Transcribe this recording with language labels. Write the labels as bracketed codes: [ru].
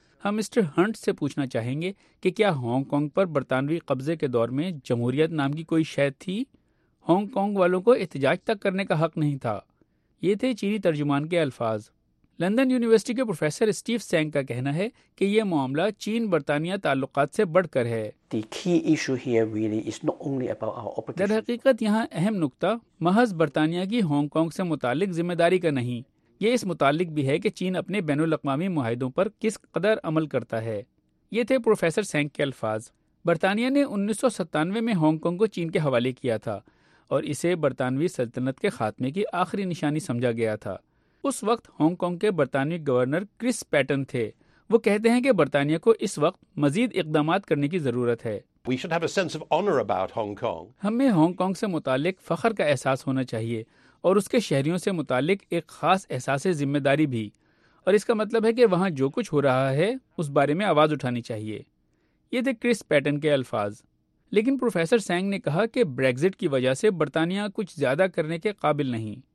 [ur] ہم mister hint سے پوچھنا چاہیں گے کہ کیا ہانگ کانگ پر برطانوی قبضے کے دور میں جمہوریت نام کی کوئی شے تھی؟ ہانگ کانگ والوں کو احتجاج تک کرنے کا حق نہیں تھا. یہ تھے چینی ترجمان کے الفاظ. لندن یونیورسٹی کے پروفیسر اسٹیو سینگ کا کہنا ہے کہ یہ معاملہ چین برطانیہ تعلقات سے بڑھ کر ہے. [en] The key issue here really is not only about our opposition. [ur] در حقیقت یہاں اہم نقطہ محض برطانیہ کی ہانگ کانگ سے متعلق ذمہ داری کا نہیں, یہ اس متعلق بھی ہے کہ چین اپنے بین الاقوامی معاہدوں پر کس قدر عمل کرتا ہے. یہ تھے پروفیسر سینگ کے الفاظ. برطانیہ نے 1997 میں ہانگ کانگ کو چین کے حوالے کیا تھا اور اسے برطانوی سلطنت کے خاتمے کی آخری نشانی سمجھا گیا تھا. اس وقت ہانگ کانگ کے برطانوی گورنر کرس پیٹن تھے. وہ کہتے ہیں کہ برطانیہ کو اس وقت مزید اقدامات کرنے کی ضرورت ہے. [en] We should have a sense of honor about Hong Kong. [ur] ہمیں ہانگ کانگ سے متعلق فخر کا احساس ہونا چاہیے اور اس کے شہریوں سے متعلق ایک خاص احساس ذمہ داری بھی, اور اس کا مطلب ہے کہ وہاں جو کچھ ہو رہا ہے اس بارے میں آواز اٹھانی چاہیے. یہ تھے کرس پیٹن کے الفاظ. لیکن پروفیسر سینگ نے کہا کہ بریگزٹ کی وجہ سے برطانیہ کچھ زیادہ کرنے کے قابل نہیں.